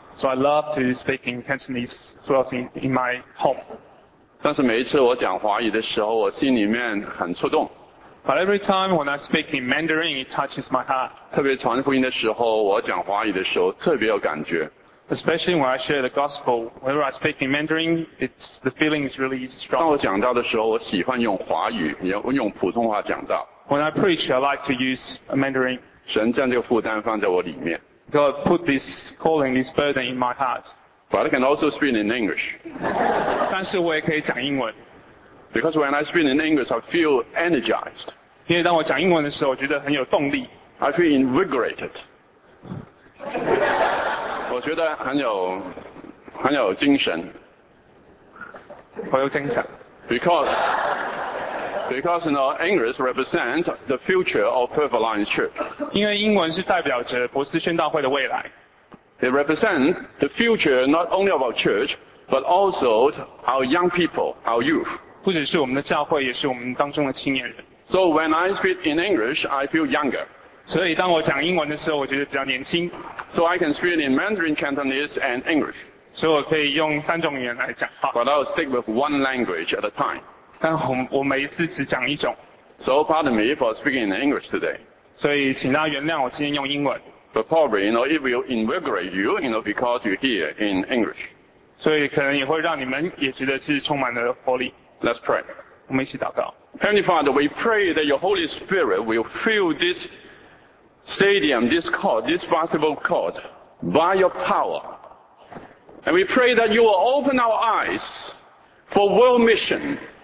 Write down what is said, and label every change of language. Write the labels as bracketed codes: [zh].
[en] So I love to speak in Cantonese throughout in my home。 [zh] 但是每一次我講華語的時候，我心裡面很觸動。 [en] But every time when I speak in Mandarin, it touches my heart。 [zh] 特別傳福音的時候，我講華語的時候特別有感覺。 [en] Especially when I share the gospel, whenever I speak in Mandarin, the feeling is really strong。 [zh] 當我講到的時候，我喜歡用華語，用普通話講到。 [en] When I preach, I like to use Mandarin。 [zh] 神將這個負擔放在我裡面。 [en] God put this calling, this burden in my heart。 But I can also speak in English. [zh] 但是我也可以讲英文。 [en] Because when I speak in English, I feel energized. [zh] 因为当我讲英文的时候，我觉得很有动力。 [en] I feel invigorated. [zh] 我觉得很有精神。很有精神。 [en] Because you know, English represents the future of Perth Alliance Church. [zh] 因为英文是代表着博士宣道会的未来。 [en] It represents the future not only of our church, but also our young people, our youth. [zh] 不只是我们的教会，也是我们当中的青年人。 [en] So when I speak in English, I feel younger. [zh] 所以当我讲英文的时候，我觉得比较年轻。 [en] So I can speak in Mandarin, Cantonese, and English. [zh] 所以我可以用三种语言来讲话。 [en] But I'll stick with one language at a time. [zh] 但我每一次只讲一种。 [en] So pardon me for speaking in English today. [zh] 所以请大家原谅我今天用英文。 [en] But probably, you know, it will invigorate you, you know, because you're here in English. [zh] 所以可能也会让你们也觉得是充满了活力。 [en] Let's pray. [zh] 我们一起祷告。 [en] Heavenly Father, we pray that your Holy Spirit will fill this stadium, this court, this basketball court, by your power. And we pray that you will open our eyes for world mission.